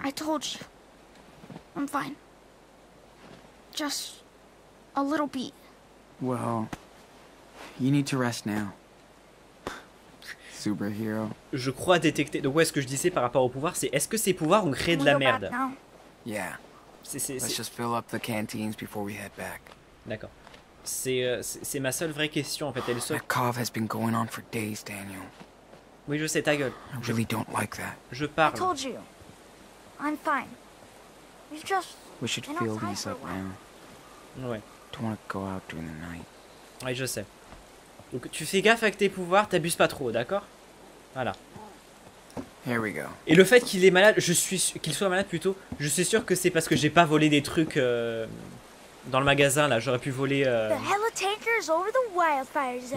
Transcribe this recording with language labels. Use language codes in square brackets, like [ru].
[en] I told you. I'm fine. Just a little beat. Well, you need to rest now. Superhero. [fr] Je crois détecter. Donc ouais, ce que je disais par rapport au pouvoir, c'est est-ce que ces pouvoirs ont créé de la merde? [en] Yeah. Let's just fill up the canteens before we head back. [fr] D'accord. C'est ma seule vraie question en fait. Elle [en] that cough has been going on for days, Daniel. [fr] Oui, je sais, ta gueule. [en] I really don't like that. [fr] Je parle. [en] I told you. I'm fine. We've just. We should fill these up now. [fr] Ouais. [en] Don't want to go out during the night. [fr] Ouais, je sais. Donc tu fais gaffe avec tes pouvoirs, t'abuses pas trop, d'accord? Voilà. [en] Here we go. [fr] Et le fait qu'il est malade, je suis sûr que c'est parce que j'ai pas volé des trucs dans le magasin là, j'aurais pu voler. Il